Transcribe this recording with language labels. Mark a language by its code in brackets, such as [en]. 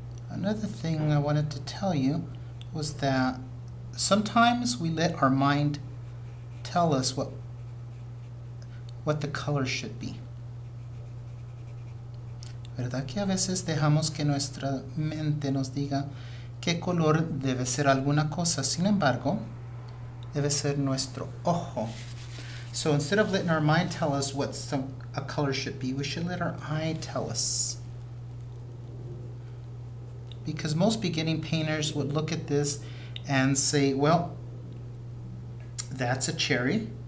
[en] Another thing I wanted to tell you was that sometimes we let our mind tell us what the color should be. [es] ¿Verdad que a veces dejamos que nuestra mente nos diga qué color debe ser alguna cosa? Sin embargo, debe ser nuestro ojo. [en] So instead of letting our mind tell us what a color should be, we should let our eye tell us. Because most beginning painters would look at this and say, well, that's a cherry.